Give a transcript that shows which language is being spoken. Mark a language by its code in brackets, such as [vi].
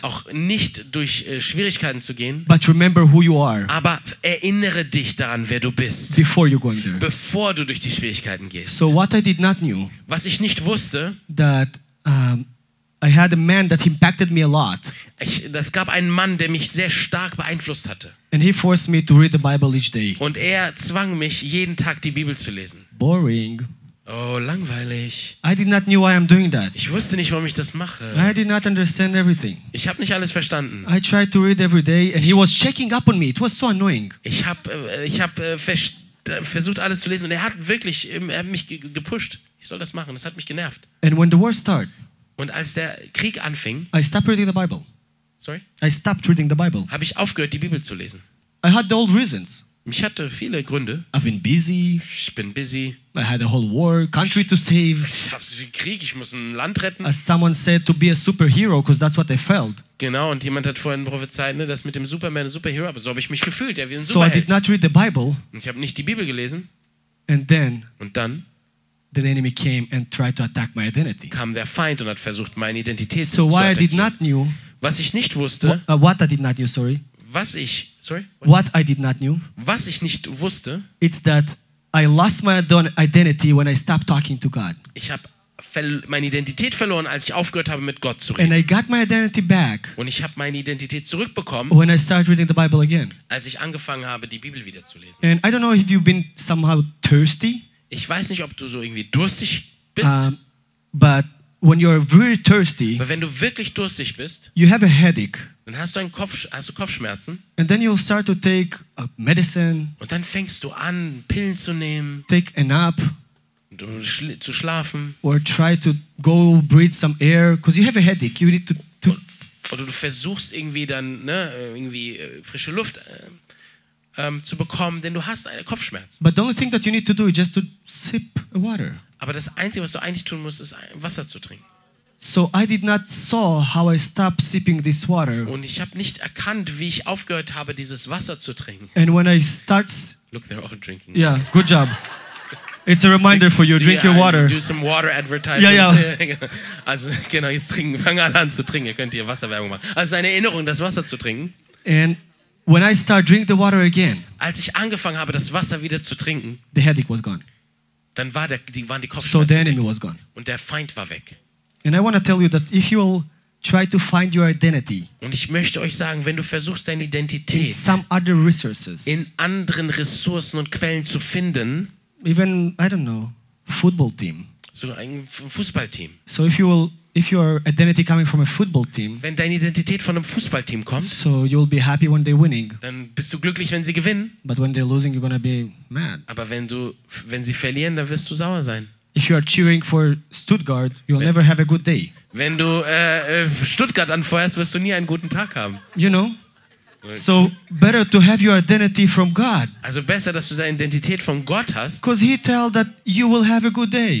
[de] Auch nicht durch Schwierigkeiten zu gehen. [en] But remember who you are. [de] Aber erinnere dich daran, wer du bist. [en] Before you're going there. [de] Bevor du durch die Schwierigkeiten gehst. [en] So what I did not knew. [de] Was ich nicht wusste. [en] That I had a man that impacted me a lot. [de] Das gab einen Mann, der mich sehr stark beeinflusst hatte. [en] And he forced me to read the Bible each day. [de] Und er zwang mich jeden Tag die Bibel zu lesen. [en] Boring. [de] Oh, langweilig. [en] I did not know why I'm doing that. [de] Ich wusste nicht, warum ich das mache. [en] I did not understand everything. [de] Ich habe nicht alles verstanden. [en] I tried to read every day and he was checking up on me. It was so annoying. [de] Ich habe versucht alles zu lesen und er hat wirklich, er hat mich gepusht. Ich soll das machen. Das hat mich genervt. [en] And when the war start, [de] und als der Krieg anfing, [en] I stopped reading the Bible. Sorry? I stopped reading the Bible. [de] Habe ich aufgehört, die Bibel zu lesen. [en] I had the old reasons. [de] Ich hatte viele Gründe. [en] I've been busy. [de] Ich bin busy. [en] I had a whole war, country to save. [de] Ich habe einen Krieg, ich muss ein Land retten. [en] As someone said, to be a superhero, because that's what they felt. [de] Genau, und jemand hat vorhin prophezeit, ne, dass mit dem Superman ein Superhero, aber so habe ich mich gefühlt, ja, wie ein Superheld. [en] So I did not read the Bible. [de] Und ich habe nicht die Bibel gelesen. [en] And then, [de] und dann [en] the enemy came and tried to attack my identity. [de] Kam der Feind und hat versucht, meine Identität so zu attackieren. [en] So why I did not knew, [de] was ich nicht wusste, was ich nicht wusste, [en] it's that I lost my identity when I stopped talking to God. [de] Ich habe meine Identität verloren, als ich aufgehört habe, mit Gott zu reden. [en] And I got my identity back. [de] Und ich habe meine Identität zurückbekommen, [en] when I started reading the Bible again. [de] Als ich angefangen habe, die Bibel wieder zu lesen. [en] And I don't know if you've been somehow thirsty. [de] Ich weiß nicht, ob du so irgendwie durstig bist. [en] But when you're really thirsty, [de] aber wenn du wirklich durstig bist, [en] you have a headache. [de] Dann hast du einen Kopf, hast du Kopfschmerzen. [en] And then you'll start to take a medicine. [de] Und dann fängst du an, Pillen zu nehmen. [en] Take a nap. [de] Und zu schlafen. [en] Or try to go breathe some air, because you have a headache. You need to. [de] Oder du versuchst irgendwie dann, ne, irgendwie frische Luft zu bekommen, denn du hast einen Kopfschmerz. [en] But the only thing that you need to do is just to sip water. [de] Aber das Einzige, was du eigentlich tun musst, ist Wasser zu trinken. [en] So I did not saw how I stopped sipping this water. [de] Und ich habe nicht erkannt, wie ich aufgehört habe, dieses Wasser zu trinken. [en] And when I start, look, they're all drinking. Yeah, good job. It's a reminder for you. Drink your water. Do some water advertising. Yeah, yeah. [de] Also genau, jetzt trinken. Fang an zu trinken. Ihr könnt hier Wasserwerbung machen. Also eine Erinnerung, das Wasser zu trinken. [en] And when I start drinking the water again, [de] als ich angefangen habe, das Wasser wieder zu trinken, [en] the headache was gone. [de] Dann war der, die waren die Kopfschmerzen. [en] So the enemy was gone. [de] Und der Feind war weg. [en] And I want to tell you that if you will try to find your identity, [de] und ich möchte euch sagen, wenn du versuchst, deine Identität [en] in some other resources, [de] in anderen Ressourcen und Quellen zu finden, [en] even I don't know, football team, [de] so ein Fußballteam. [en] So if you will, if your identity coming from a football team, [de] wenn deine Identität von einem Fußballteam kommt, [en] so you'll be happy when they're winning, [de] dann bist du glücklich, wenn sie gewinnen. [en] But when they're losing, you're gonna be mad. [de] Aber wenn du, wenn sie verlieren, dann wirst du sauer sein. [en] If you are cheering for Stuttgart, you'll never have a good day. [de] Wenn du Stuttgart anfeuerst, wirst du nie einen guten Tag haben. [en] You know? So better to have your identity from God. [de] Also besser, dass du deine Identität von Gott hast. [en] Because he tell that you will have a good day.